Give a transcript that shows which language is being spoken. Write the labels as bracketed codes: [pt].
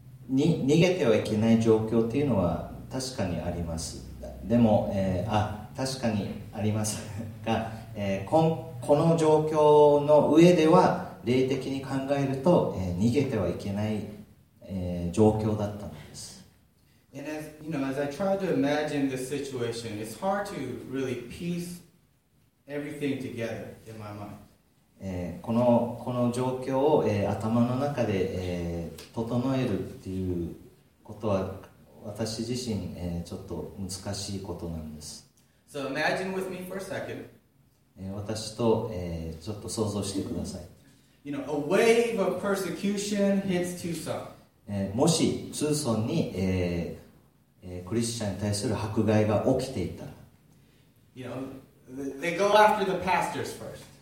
[ja] 逃げてはいけない状況というのは確かにあります。でも、確かにありますが、この状況の上では霊的に考えると、逃げてはいけない、状況だったのです。 [en] you know, as I try to imagine this situation, it's hard to really piece everything together in my mind. [ja] この状況を、頭の中で、整えるっていうことは私自身、ちょっと難しいことなんです。 [en] So imagine with me for a second. [ja] 私と、ちょっと想像してください。 [en] You know, a wave of persecution hits Tucson. [ja] もし、ツーソンに、クリスチャンに対する迫害が起きていたら。 [en] You know, they go after the pastors first.